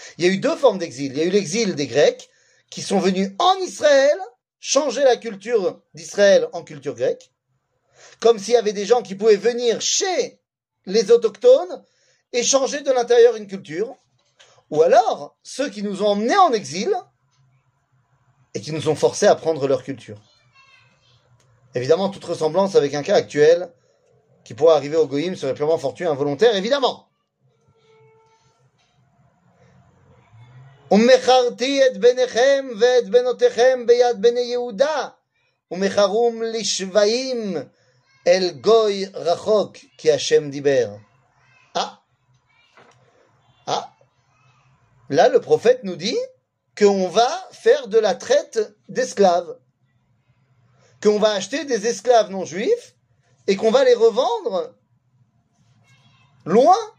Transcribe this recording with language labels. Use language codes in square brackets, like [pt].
[fr] Il y a eu deux formes d'exil. Il y a eu l'exil des Grecs qui sont venus en Israël changer la culture d'Israël en culture grecque, comme s'il y avait des gens qui pouvaient venir chez les autochtones et changer de l'intérieur une culture. Ou alors, ceux qui nous ont emmenés en exil et qui nous ont forcés à prendre leur culture. Évidemment, toute ressemblance avec un cas actuel qui pourrait arriver au Goïm serait purement fortuit et involontaire, évidemment. [he] ומחרתי את בניכם ואת בנותיכם ביד בני יהודה ומחרום לשבעים אל גוי רחוק כי השם דיבר. Ah. Ah. [fr] Là, le prophète nous dit qu'on va faire de la traite d'esclaves, qu'on va acheter des esclaves non juifs et qu'on va les revendre loin.